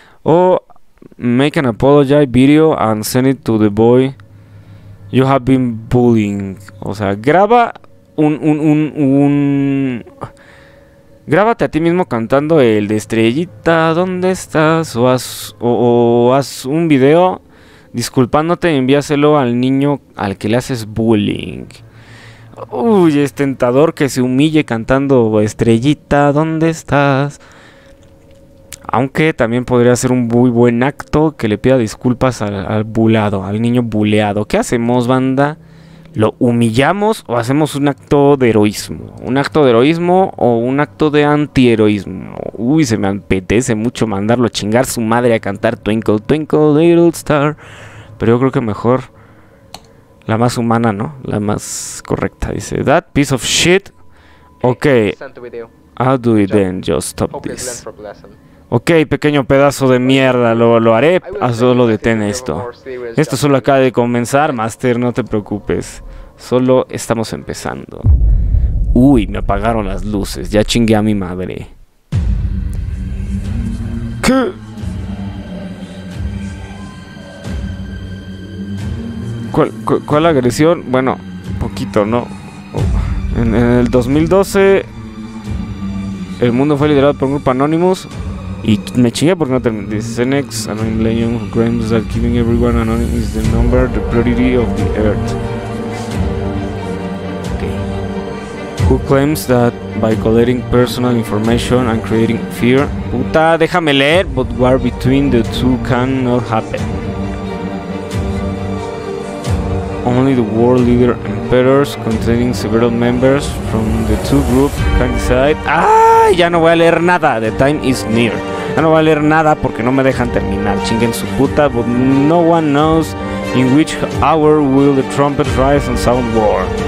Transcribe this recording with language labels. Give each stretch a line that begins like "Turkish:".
English: O make an apology video and send it to the boy you have been bullying.
Spanish: O sea, graba un grábate a ti mismo cantando el de Estrellita, ¿dónde estás? O haz un video disculpándote y envíaselo al niño al que le haces bullying. Uy, es tentador que se humille cantando Estrellita, ¿dónde estás? Aunque también podría ser un muy buen acto que le pida disculpas al bulado, al niño buleado. ¿Qué hacemos, banda? ¿Lo humillamos o hacemos un acto de heroísmo? ¿Un acto de heroísmo o un acto de antiheroísmo? Uy, se me apetece mucho mandarlo a chingar su madre a cantar
English: Twinkle, Twinkle, Little Star.
Spanish: Pero yo creo que mejor la más humana, ¿no? La más correcta. Dice,
English: that piece of shit. Ok, I'll do it then, just stop this.
Spanish: Ok, pequeño pedazo de mierda, lo haré, solo detén esto. Esto solo acaba de comenzar, Master, no te preocupes. Solo estamos empezando. Uy, me apagaron las luces, ya chingué a mi madre. ¿Qué? ¿Cuál agresión? Bueno, poquito, ¿no? En el 2012, el mundo fue liderado por un grupo Anonymous. Y me chingué porque no terminé.
English: This is an ex anonymous legend who claims that killing everyone anonymous is the number, the priority of the earth. Okay. Who claims that by collecting personal information and creating fear.
Spanish: Puta, déjame leer,
English: but war between the two cannot happen. only the world leader emperors containing several members from the two groups can decide.
Spanish: ¡Ah! Ya no voy a leer nada.
English: The time is near.
Spanish: Ya no voy a leer nada porque no me dejan terminar. Chinguen su puta.
English: But no one knows in which hour will the trumpet rise and sound war.